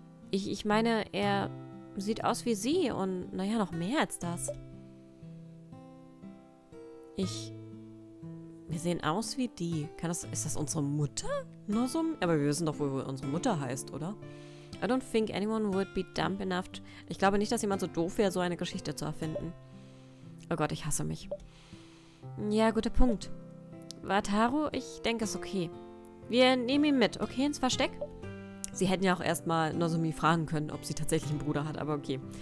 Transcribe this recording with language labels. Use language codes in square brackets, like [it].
[de] Ich meine, er sieht aus wie sie und, naja, noch mehr als das. Wir sehen aus wie die. Ist das unsere Mutter? Nozomi? Aber wir wissen doch, wo unsere Mutter heißt, oder? [en] I don't think anyone would be dumb enough to... [de] Ich glaube nicht, dass jemand so doof wäre, so eine Geschichte zu erfinden. Oh Gott, ich hasse mich. Ja, guter Punkt. Wataru, ich denke, es okay. Wir nehmen ihn mit, okay, ins Versteck? Sie hätten ja auch erstmal Nozomi fragen können, ob sie tatsächlich einen Bruder hat, aber okay.